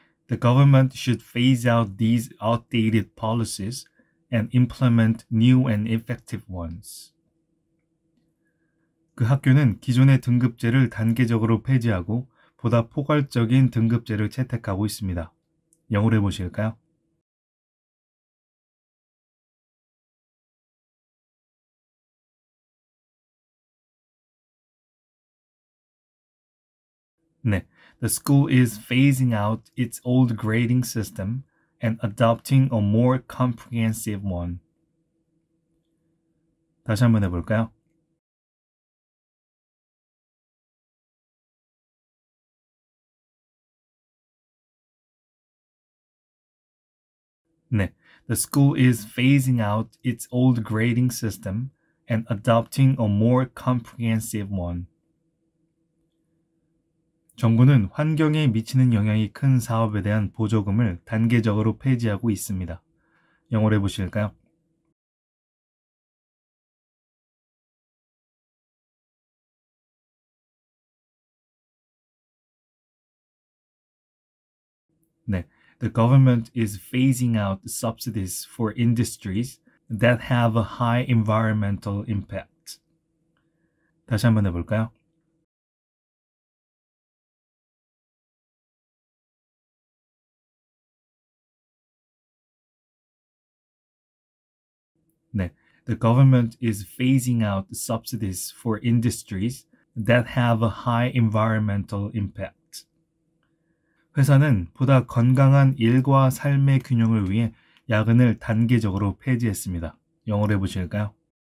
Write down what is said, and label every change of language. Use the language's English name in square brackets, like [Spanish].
[English] The government should phase out these outdated policies and implement new and effective ones. [Korean] 그 학교는 기존의 등급제를 단계적으로 폐지하고 보다 포괄적인 등급제를 채택하고 있습니다. 영어로 해보실까요? [English] The school is phasing out its old grading system and adopting a more comprehensive one. [Korean] 다시 한번 해볼까요? [English] The school is phasing out its old grading system and adopting a more comprehensive one. [Korean] 정부는 환경에 미치는 영향이 큰 사업에 대한 보조금을 단계적으로 폐지하고 있습니다. 영어로 해보실까요? [English] The government is phasing out subsidies for industries that have a high environmental impact. [Korean] 다시 한번 해볼까요? [English] The government is phasing out subsidies for industries that have a high environmental impact. [Korean] 회사는 보다 건강한 일과 삶의 균형을 위해 야근을 단계적으로 폐지했습니다. 영어로 해보실까요?